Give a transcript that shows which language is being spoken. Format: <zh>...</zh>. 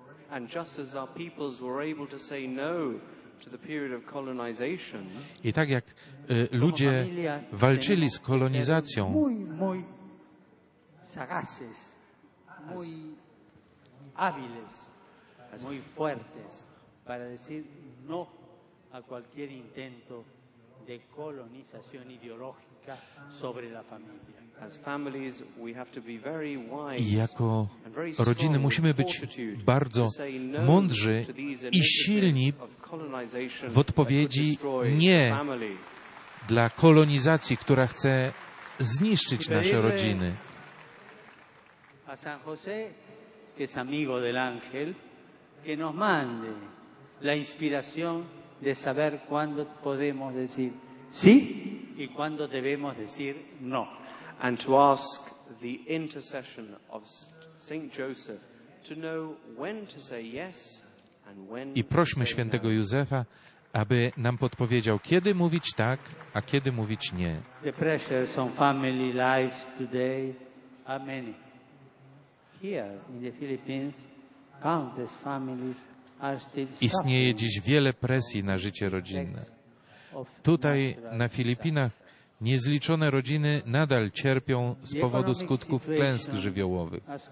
<en>And just as our peoples were able to say no to the period of colonization,</en> <pl>i tak jak ludzie walczyli z kolonizacją,</pl> <es>muy sagaces, muy hábiles, muy fuertes para decir no a cualquier intento de colonización ideológica sobre la familia.</es> <en>As families, we have to be very wise.</en> <pl>I jako rodziny musimy być bardzo mądrzy i silni w odpowiedzi nie dla kolonizacji, która chce zniszczyć nasze rodziny.</pl> <es>A San José, que es amigo del ángel, que nos mande la inspiración de saber cuándo podemos decir sí y cuándo debemos decir no.</es> <en>And to ask the intercession of Saint Joseph to know when to say yes and when to say no.</en> <pl>I prośmy świętego Józefa, aby nam podpowiedział, kiedy mówić tak, a kiedy mówić nie.</pl> <en>The pressures on family lives today are many. Here in the Philippines, countless families are still suffering.</en> <pl>Istnieje dziś wiele presji na życie rodzinne. Tutaj na Filipinach niezliczone rodziny nadal cierpią z powodu skutków klęsk żywiołowych.</pl>